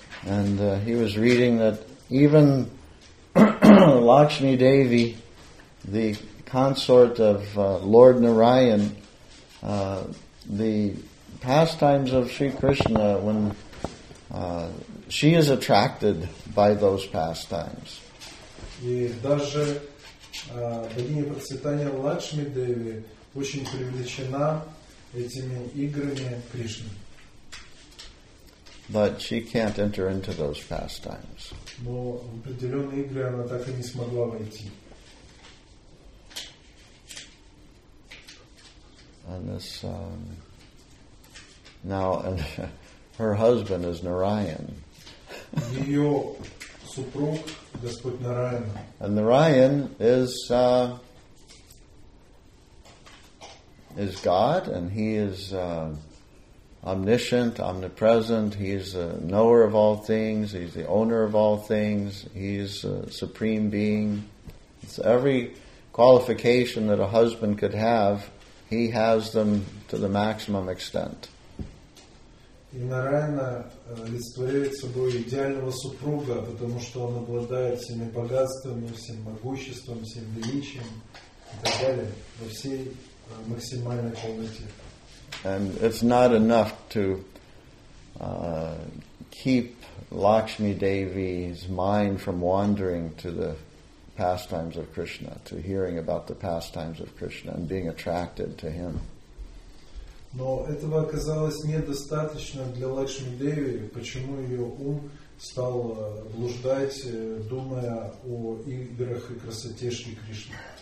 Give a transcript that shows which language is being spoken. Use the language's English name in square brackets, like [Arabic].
[English] And he was reading that even Lakshmi Devi, the consort of Lord Narayan, the pastimes of Sri Krishna, when she is attracted by those pastimes. [Russian] И даже богиня процветания Лакшми Деви очень привлечена этими играми Кришны. [English] But she can't enter into those pastimes. [Russian] Но в определенные игры она так и не смогла войти. [English] And this now and her husband is Narayan. [Russian] Ее супруг Господь Нараян. [English] And Narayan is God, and he is omniscient, omnipresent. He is a knower of all things. He's the owner of all things. He's a supreme being. It's every qualification that a husband could have, he has them to the maximum extent. [Russian] И Нараяна олицетворяет собой идеального супруга, потому что он обладает всеми богатствами, всем могуществом, всем величием и так далее во всей максимальной полноте. [English] And it's not enough to keep Lakshmi Devi's mind from wandering to the pastimes of Krishna, to hearing about the pastimes of Krishna and being attracted to him. [Russian] Но этого оказалось недостаточно для Лакшми Деви, почему ее ум стал блуждать, думая о играх и красоте Шри Кришны.